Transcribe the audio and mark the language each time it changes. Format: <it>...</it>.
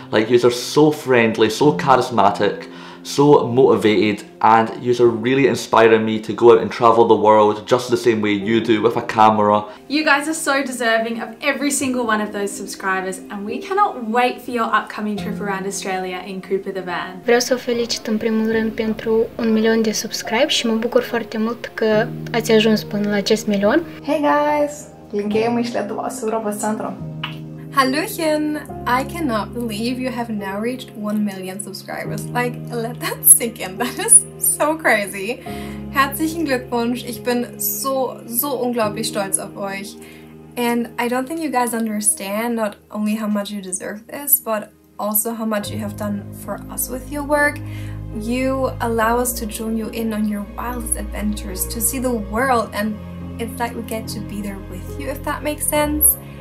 <en>Like, you are so friendly, so charismatic, so motivated, and you are really inspiring me to go out and travel the world just the same way you do, with a camera. You guys are so deserving of every single one of those subscribers, and we cannot wait for your upcoming trip around Australia in Cooper the Van.</en> <ro>Vreau să o felicit în primul rând pentru 1 milion de subscribe și mă bucur foarte mult că ați ajuns până la acest milion.</ro> <en>Hey guys!</en> <lt>Linkėjimai iš Lietuvos Europos centro.</lt> <de>Hallöchen!</de> <en>I cannot believe you have now reached 1 million subscribers. Like, let that sink in. That is so crazy.</en> <de>Herzlichen Glückwunsch. Ich bin so, so unglaublich stolz auf euch.</de> <en>And I don't think you guys understand not only how much you deserve this, but also how much you have done for us with your work. You allow us to join you in on your wildest adventures, to see the world, and it's like we get to be there with you, if that makes sense.</en>